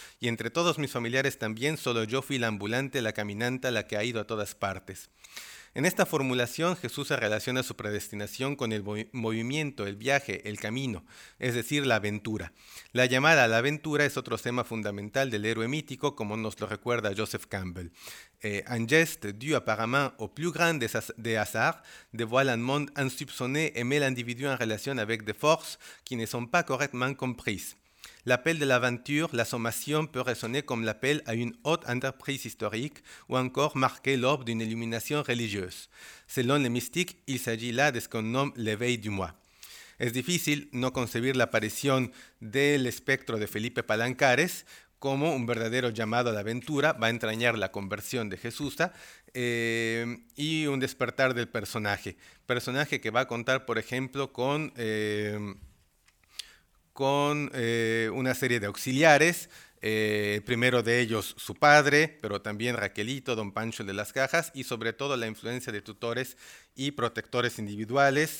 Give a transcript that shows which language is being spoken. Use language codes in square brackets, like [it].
[es] Y entre todos mis familiares también, solo yo fui la ambulante, la caminante, la que ha ido a todas partes. En esta formulación, Jesús se relaciona su predestinación con el movimiento, el viaje, el camino, es decir, la aventura. La llamada a la aventura es otro tema fundamental del héroe mítico, como nos lo recuerda Joseph Campbell. [fr] Un geste dû apparemment au plus grand des hasards dévoile un monde insoupçonné et met l'individu en relation avec des forces qui ne sont pas correctement comprises. L'appel de l'aventure, la sommation, peut résonner comme l'appel à une haute entreprise historique ou encore marquer l'aube d'une illumination religieuse. Selon les mystiques, il s'agit là de ce qu'on nomme l'éveil du moi. [es] Es difícil no concebir la aparición del espectro de Felipe Palancares como un verdadero llamado a la aventura, va a entrañar la conversión de Jesús y un despertar del personaje. Personaje que va a contar, por ejemplo, con una serie de auxiliares, primero de ellos su padre, pero también Raquelito, Don Pancho de las Cajas, y sobre todo la influencia de tutores y protectores individuales.